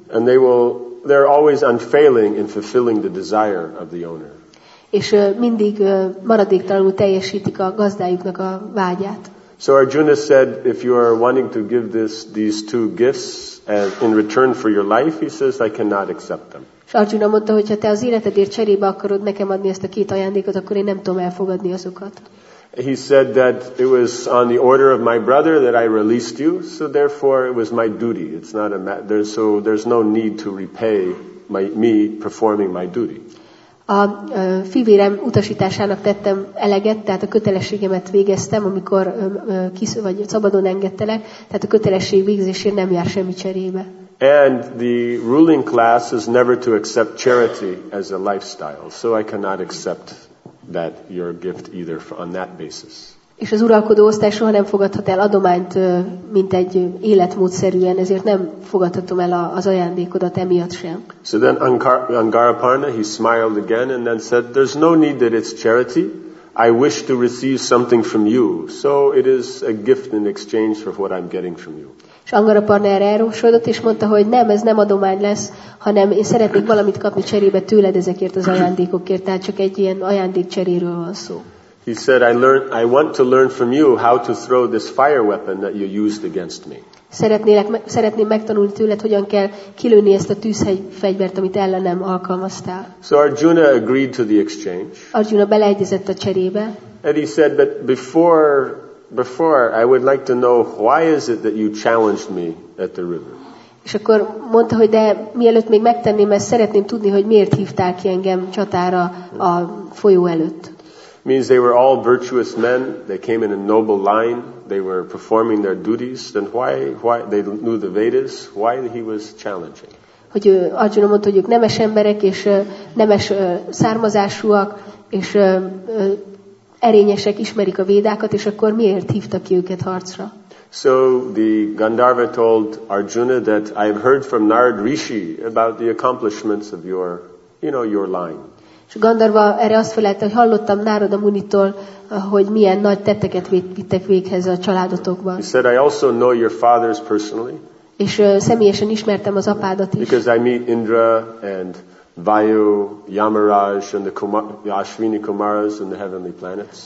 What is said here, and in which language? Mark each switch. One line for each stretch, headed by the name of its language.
English: And they're always unfailing in fulfilling the desire of the owner.
Hungarian: És mindig maradéktalanul teljesítik a gazdájuknak a vágyát.
English: So Arjuna said, if you are wanting to give these two gifts as in return for your life, he says, I cannot accept them.
Hungarian: És Arjuna mondta, hogy ha te az életedért cserébe akarod nekem adni ezt a két ajándékot, akkor én nem tudom elfogadni azokat.
English: He said that it was on the order of my brother that I released you, so therefore it was my duty. It's not a matter, so there's no need to repay me performing my duty.
Hungarian: A fivérem utasításának tettem eleget, tehát a kötelességemet végeztem, amikor vagy szabadon engedtelek, tehát a kötelesség végzésért nem jár semmi cserébe.
English: And the ruling class is never to accept charity as a lifestyle, so I cannot accept that your gift either on that basis.
Hungarian: És az uralkodó osztály soha nem fogadhat el adományt, mint egy életmódszerűen, ezért nem fogadhatom el az ajándékodat emiatt sem.
English: So then Angaraparna, he smiled again and then said, there's no need that it's charity. I wish to receive something from you. So it is a gift in exchange for what I'm getting from you.
Hungarian: És Angaraparna erre elrósodott, és mondta, hogy nem, ez nem adomány lesz, hanem én szeretnék valamit kapni cserébe tőled ezekért az ajándékokért. Tehát csak egy ilyen ajándék cseréről van szó.
English: He said, I want to learn from you how to throw this fire weapon that you used against me.
Hungarian: Szeretném megtanulni tőled, hogyan kell kilőni ezt a tűzfegyvert, amit ellenem alkalmaztál.
English: So Arjuna agreed to the exchange.
Hungarian: Arjuna beleegyezett a cserébe.
English: And he said, but before I would like to know why is it that you challenged me at the river.
Hungarian: És akkor mondta, hogy de mielőtt még megtenném ezt, szeretném tudni, hogy miért hívtál ki engem csatára a folyó előtt.
English: Means they were all virtuous men, they came in a noble line, they were performing their duties, then why they knew the Vedas, why he was challenging.
Hungarian: Hogy Arjuna mondta, hogy ők nemes emberek és nemes származásúak és erényesek, ismerik a védákat, és akkor miért hívta ki őket harcra?
English: So the Gandharva told Arjuna that I've heard from Narad Rishi about the accomplishments of your, you know, your line.
Hungarian: És Gandharva erre azt felelte, hogy hallottam Narada Munitól, hogy milyen nagy tetteket vittek véghez a családotokban.
English: He said, I also know your fathers personally.
Hungarian: És személyesen ismertem az apádat is.
English: Because I meet Indra and Vayu, Yamaraj and the Ashwini Kumaras and the heavenly planets.